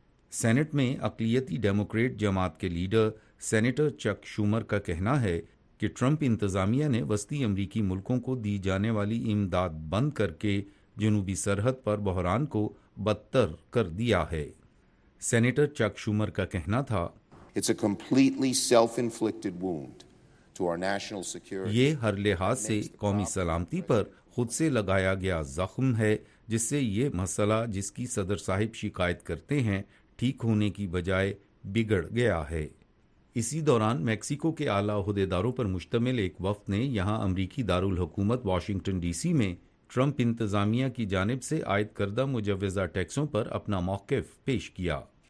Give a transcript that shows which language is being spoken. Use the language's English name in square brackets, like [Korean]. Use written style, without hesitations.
[Urdu] Saint میں اقلیتی Democrat جماعت کے لیڈر سینیٹر چک شومر کا کہنا ہے کہ ٹرمپ انتظامیہ نے وسطی امریکی ملکوں کو دی جانے والی امداد بند کر کے جنوبی سرحد پر بحران کو بدتر کر دیا ہے. سینیٹر چک شومر کا کہنا تھا, [English] It's a completely self-inflicted wound to our national security. [Urdu] یہ ہر لحاظ سے قومی سلامتی پر خود سے لگایا گیا زخم ہے, جس سے یہ مسئلہ جس کی صدر صاحب شکایت کرتے ہیں ٹھیک ہونے کی بجائے بگڑ گیا ہے. اسی دوران میکسیکو کے اعلیٰ عہدیداروں پر مشتمل ایک وفد نے یہاں امریکی دارالحکومت واشنگٹن ڈی سی میں ٹرمپ انتظامیہ کی جانب سے عائد کردہ مجوزہ ٹیکسوں پر اپنا موقف پیش کیا.